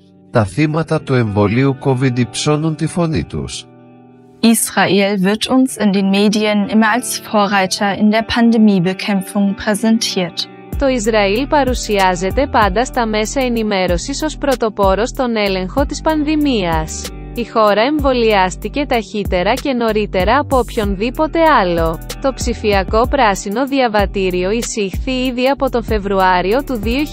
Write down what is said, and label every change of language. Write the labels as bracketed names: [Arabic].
[Greek] Τα θύματα του εμβολίου COVID υψώνουν τη φωνή τους. [German] Israel wird uns in den Medien immer als Vorreiter in der Pandemiebekämpfung präsentiert. [Greek] Το Ισραήλ παρουσιάζεται πάντα στα μέσα ενημέρωσης ως πρωτοπόρο στον έλεγχο της πανδημίας. Η χώρα εμβολιάστηκε ταχύτερα και νωρίτερα από οποιονδήποτε άλλο. Το ψηφιακό πράσινο διαβατήριο εισήχθη ήδη από τον Φεβρουάριο του 2021.